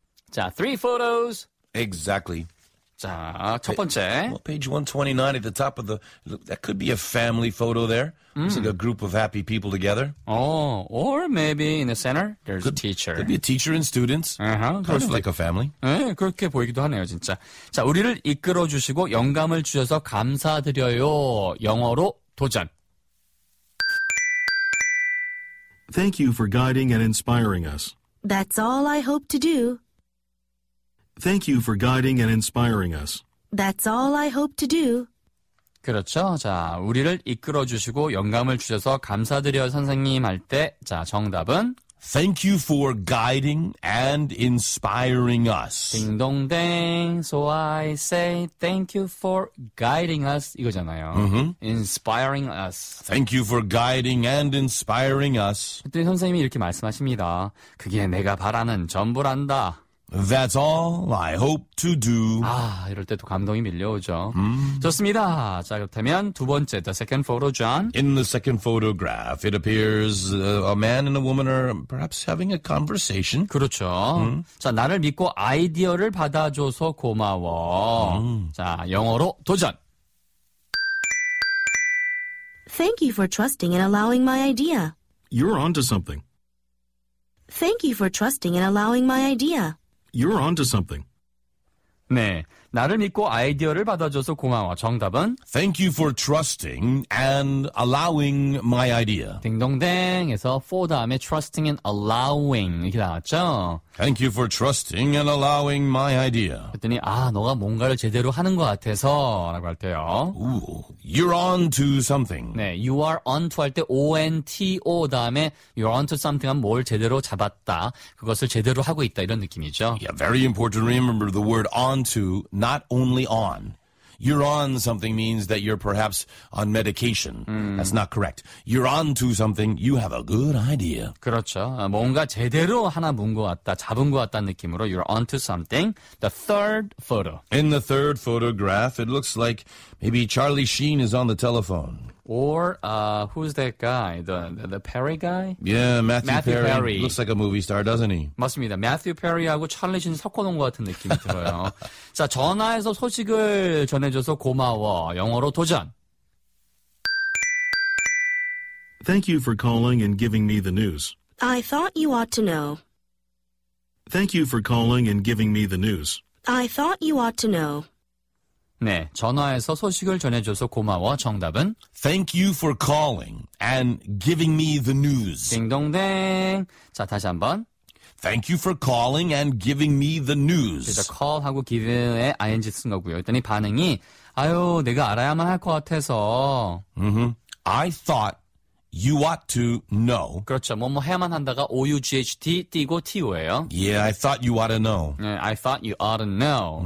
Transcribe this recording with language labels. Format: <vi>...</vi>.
<en>자, three photos. Exactly.</en> <ko>자, 첫 번째.</ko> <en>Well, page 129 at the top of the... That could be a family photo there. It's like a group of happy people together. Oh, or maybe in the center, there's could, a teacher. Could be a teacher and students. Uh-huh. Kind of like a family.</en> <ko>네, 그렇게 보이기도 하네요, 진짜. 자, 우리를 이끌어주시고 영감을 주셔서 감사드려요. 영어로 도전.</ko> <en>Thank you for guiding and inspiring us. That's all I hope to do. Thank you for guiding and inspiring us. That's all I hope to do.</en> <ko>그렇죠. 자, 우리를 이끌어주시고 영감을 주셔서 감사드려요, 선생님 할 때. 자, 정답은?</ko> <en>Thank you for guiding and inspiring us.</en> <ko>딩동댕.</ko> <en>So I say thank you for guiding us.</en> <ko>이거잖아요. Mm-hmm.</ko> <en>Inspiring us. Thank you for guiding and inspiring us.</en> <ko>그때 선생님이 이렇게 말씀하십니다. 그게 내가 바라는 전부란다.</ko> <en>That's all I hope to do.</en> <ko>아, 이럴 때도 감동이 밀려오죠. 좋습니다. 자, 그렇다면 두 번째,</ko> <en>the second photo,</en> <ko>John.</ko> <en>In the second photograph, it appears a man and a woman are perhaps having a conversation.</en> <ko>그렇죠. 자, 나를 믿고 아이디어를 받아줘서 고마워. 자, 영어로 도전.</ko> <en>Thank you for trusting and allowing my idea. You're onto something. Thank you for trusting and allowing my idea. You're onto something.</en> <ko>네, 나를 믿고 아이디어를 받아줘서 고마워. 정답은?</ko> <en>Thank you for trusting and allowing my idea.</en> <ko>딩동댕에서 for 다음에</ko> <en>trusting and allowing</en> <ko>이렇게 나왔죠?</ko> <en>Thank you for trusting and allowing my idea.</en> <ko>그랬더니 아, 너가 뭔가를 제대로 하는 것 같아서 라고 할 때요.</ko> <en>You're on to something.</en> <ko>네, you are on to 할 때 O-N-T-O 다음에</ko> <en>you're on to something</en> <ko>하면 뭘 제대로 잡았다. 그것을 제대로 하고 있다 이런 느낌이죠.</ko> <en>Yeah, very important to remember the word on to, not only on. You're on something means that you're perhaps on medication. That's not correct. You're on to something. You have a good idea.</en> <ko>그렇죠. 뭔가 제대로 하나 문 것 같다, 잡은 것 같다는 느낌으로</ko> <en>you're on to something. The third photo. In the third photograph, it looks like maybe Charlie Sheen is on the telephone. Or who's that guy? The Perry guy? Yeah, Matthew Perry. Looks like a movie star, doesn't he?</en> <ko>맞습니다. Matthew Perry하고 찰리 신 섞어놓은 것 같은 느낌이 들어요. 자, 전화해서 소식을 전해줘서 고마워. 영어로 도전.</ko> <en>Thank you for calling and giving me the news. I thought you ought to know. Thank you for calling and giving me the news. I thought you ought to know.</en> <ko>네, 전화해서 소식을 전해줘서 고마워. 정답은?</ko> <en>Thank you for calling and giving me the news.</en> <ko>딩동댕. 자, 다시 한번.</ko> <en>Thank you for calling and giving me the news.</en> <ko>그래서 call하고 give에 ing 쓴 거고요. 그랬더니 반응이, 아유, 내가 알아야만 할 것 같아서. Mm-hmm.</ko> <en>I thought you ought to know.</en> <ko>그렇죠. 뭐뭐 해야만 한다가 O-U-G-H-T 띄고 T-O예요.</ko> <en>Yeah, I thought you ought to know. 네, I thought you ought to know.</en>